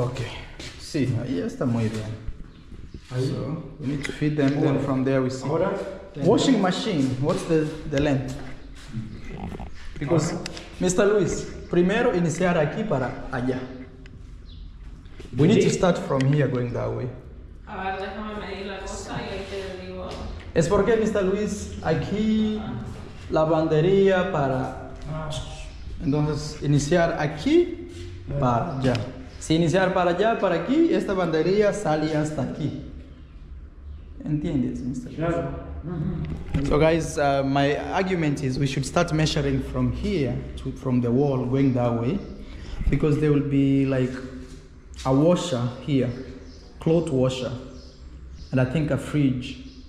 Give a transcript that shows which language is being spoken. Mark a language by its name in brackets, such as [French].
[Spanish] Ok. Sí, ahí está muy bien. Ahí. [English] So, we need to feed them, then from there we see. [Spanish] Ahora, [English] washing machine, what's the length? Because, Mr. [Spanish] Luis, primero iniciar aquí para allá. [English] We need to start from here going that way. [Spanish] A ver, déjame medir la cosa y ahí te digo. Es porque, Mr. Luis, aquí lavandería para. Entonces, iniciar aquí para allá. Si iniciar para allá, para aquí, esta lavandería sale hasta aquí. ¿Entiendes, Mr. Luis? Claro. [English] So, guys, my argument is we should start measuring from here, to from the wall, going that way. Because there will be like a washer here, cloth washer, and I think a fridge.